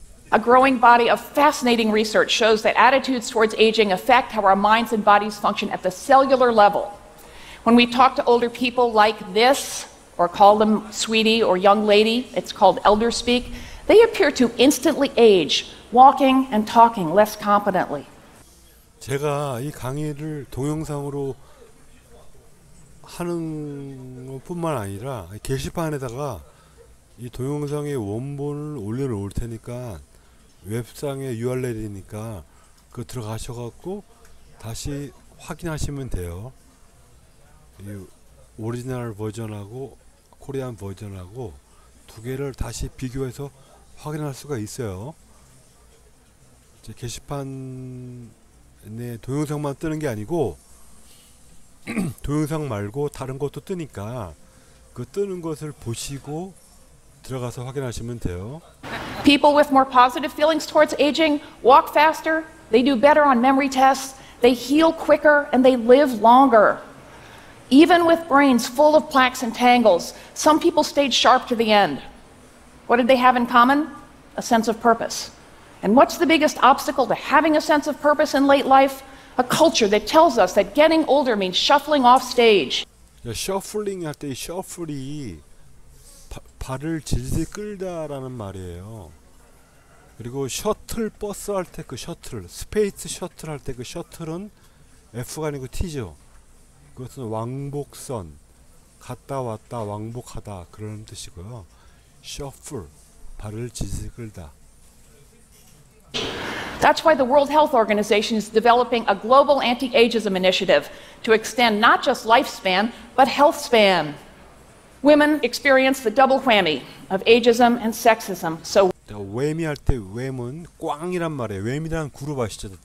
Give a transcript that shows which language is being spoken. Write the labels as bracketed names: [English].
[English] A growing body of fascinating research shows that attitudes towards aging affect how our minds and bodies function at the cellular level. When we talk to older people like this, or call them sweetie or young lady, it's called elder speak, they appear to instantly age, walking and talking less competently. [Korean] 제가 이 강의를 동영상으로 하는 것뿐만 아니라 게시판에다가 이 동영상의 원본을 올려놓을 테니까 웹상의 URL이니까 그 들어가셔갖고 다시 확인하시면 돼요. 이 오리지널 버전하고 코리안 버전하고 두 개를 다시 비교해서 확인할 수가 있어요. 이제 게시판에 동영상만 뜨는 게 아니고 동영상 말고 다른 것도 뜨니까 그 뜨는 것을 보시고 들어가서 확인하시면 돼요. [English] People with more positive feelings towards aging walk faster, they do better on memory tests, they heal quicker, and they live longer. Even with brains full of plaques and tangles, some people stayed sharp to the end. What did they have in common? A sense of purpose. And what's the biggest obstacle to having a sense of purpose in late life? A culture that tells us that getting older means shuffling off stage. Shuffling at the shuffling. [Korean] 발을 질질 끌다라는 말이에요. 그리고 셔틀 버스 할 때 그 셔틀, 스페이스 셔틀 할 때 그 셔틀은 F가 아니고 T죠. 그것은 왕복선, 갔다 왔다 왕복하다 그런 뜻이고요. 셔플, 발을 질질 끌다. [English] That's why the World Health Organization is developing a global anti-ageism initiative to extend not just lifespan, but health span. Women experience the double whammy of ageism and sexism. So, [Korean] whammy 할 때 whammy는 꽝이란 말이에요. whammy란 그룹 아시죠?